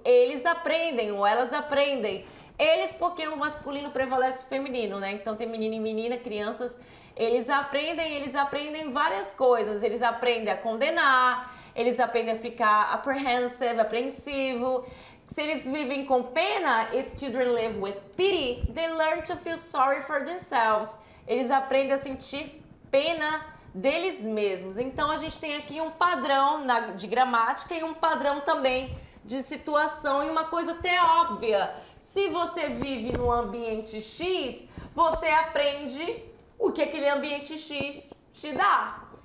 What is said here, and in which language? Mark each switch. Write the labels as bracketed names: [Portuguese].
[Portuguese] Eles aprendem ou elas aprendem. Eles, porque o masculino prevalece o feminino, né? Então, tem menino e menina, crianças, eles aprendem várias coisas. Eles aprendem a condenar, eles aprendem a ficar apprehensive, apreensivo. Se eles vivem com pena, [English] if children live with pity, they learn to feel sorry for themselves. [Portuguese] Eles aprendem a sentir pena deles mesmos. Então, a gente tem aqui um padrão de gramática e um padrão também de situação e uma coisa até óbvia. Se você vive num ambiente X, você aprende o que aquele ambiente X te dá.